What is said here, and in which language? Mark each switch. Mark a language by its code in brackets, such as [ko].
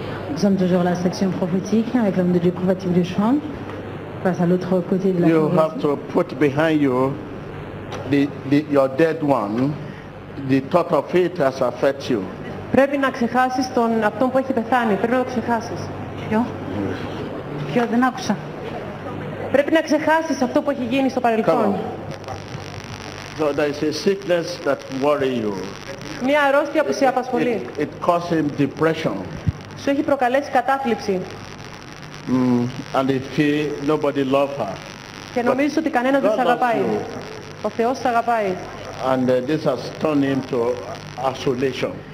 [fr] Nous sommes toujours à la section prophétique avec l'homme de Dieu, prophète Tibillo Chouan. [en] You have to put behind you your dead one. The thought of it has affected you. [el] Πρέπει να ξεχάσεις τον αυτόν που έχει πεθάνει. Πρέπει να ξεχάσεις. Ποιο; Δεν άκουσα. Πρέπει να ξεχάσεις αυτό που έχει γίνει στο παρελθόν. [en] So there is a sickness that worries you. [el] Μια αρρώστια που σε απασχολεί. [en] It causes depression. [el] Σου έχει προκαλέσει κατάθλιψη. [en] And they feel nobody loves her. [el] Και νομίζεις ότι κανένας δεν σ' αγαπάει. Ο Θεός σ' αγαπάει. [en] And this has turned him to isolation.